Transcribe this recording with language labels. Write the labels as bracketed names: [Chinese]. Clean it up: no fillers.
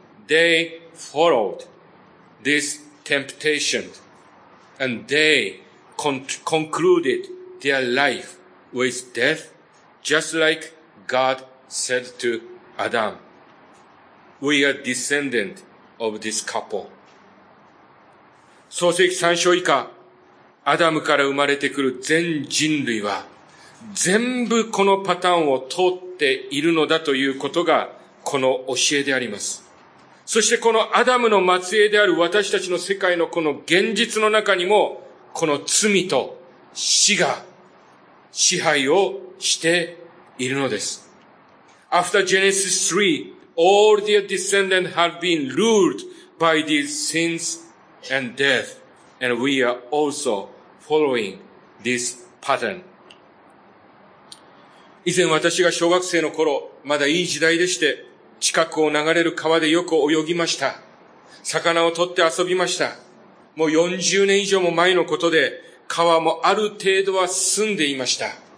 [English] They followed this temptation and they concluded their life with death, just like God said to Adam. We are descendant of this couple. [Japanese] 創世記3章以下、アダムから生まれてくる全人類は、全部このパターンを通っているのだということが、この教えであります。そしてこのアダムの末裔である私たちの世界のこの現実の中にも、この罪と死が支配をしているのです。 [English] After Genesis 3,All their descendants have been ruled by these sins and death, and we are also following this pattern. [Japanese] 以前私が小学生の頃、まだいい時代でして、近くを流れる川でよく泳ぎました。魚を取って遊びました。もう40年以上も前のことで、川もある程度は澄んでいました。